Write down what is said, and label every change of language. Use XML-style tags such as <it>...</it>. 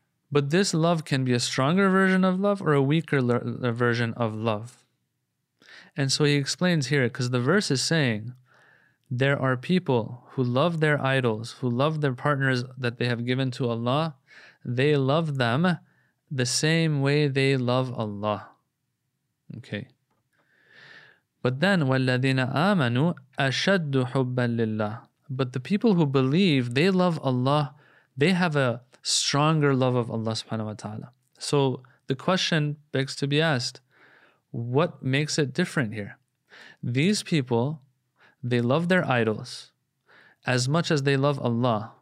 <en>But this love can be a stronger version of love or a weaker version of love. And so he explains here, because the verse is saying there are people who love their idols, who love their partners that they have given to Allah. They love them the same way they love Allah. Okay? But then,</en> <ar>وَالَّذِينَ آمَنُوا أَشَدُّ حُبًّا لِلَّهِ.</ar> <en>But the people who believe, they love Allah, they have a stronger love of Allah subhanahu wa ta'ala. So the question begs to be asked, what makes it different here? These people, they love their idols as much as they love Allah.</en>